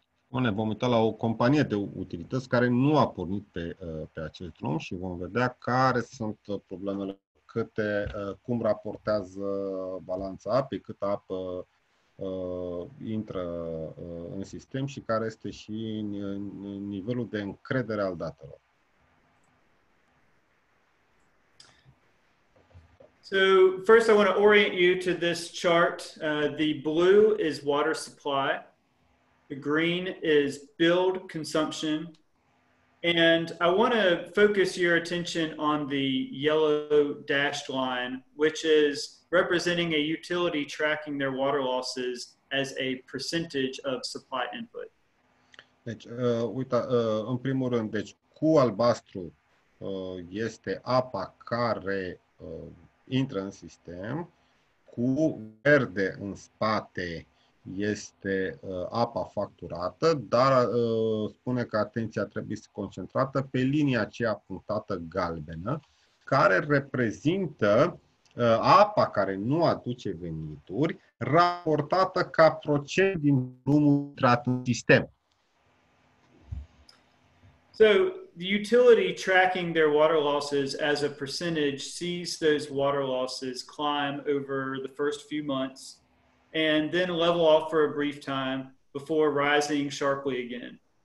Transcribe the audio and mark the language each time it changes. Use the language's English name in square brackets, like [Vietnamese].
[Romanian] Ne vom uita la o companie de utilități care nu a pornit pe acest drum și vom vedea care sunt problemele, cum raportează balanța apei, câtă apă intră în sistem și care este și nivelul de încredere al datelor. [English] So first I want to orient you to this chart. The blue is water supply. The green is billed consumption. And I want to focus your attention on the yellow dashed line, which is representing a utility tracking their water losses as a percentage of supply input. [Romanian] Deci, în primul rând, deci cu albastru este apa care intră în sistem, cu verde în spate este apa facturată, dar spune că atenția trebuie să concentrată pe linia aceea punctată galbenă, care reprezintă apa care nu aduce venituri, raportată ca procent din volumul intrat în sistem. [English] So, the utility tracking their water losses as a percentage sees those water losses climb over the first few months and then level off for a brief time before rising sharply again.